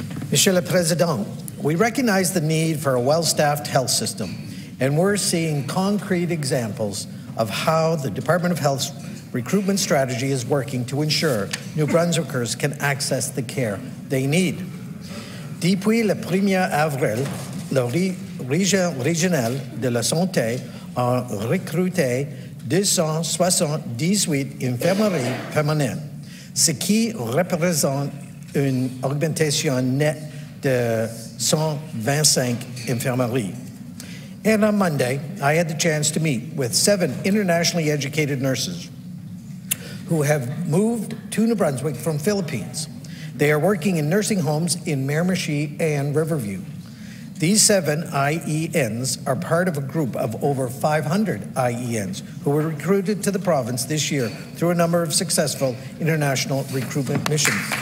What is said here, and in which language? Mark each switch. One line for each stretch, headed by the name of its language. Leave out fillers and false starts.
French: Monsieur le Président,
English: we recognize the need for a well-staffed health system, and we're seeing concrete examples of how the Department of Health's recruitment strategy is working to ensure New Brunswickers can access the care they need.
French: Depuis le 1er avril, la Région régionale de la Santé a recruté 278 infirmeries permanentes, ce qui représente une augmentation nette de 125 infirmeries.
English: And on Monday, I had the chance to meet with seven internationally educated nurses who have moved to New Brunswick from Philippines. They are working in nursing homes in Miramichi and Riverview. These seven IENs are part of a group of over 500 IENs who were recruited to the province this year through a number of successful international recruitment missions.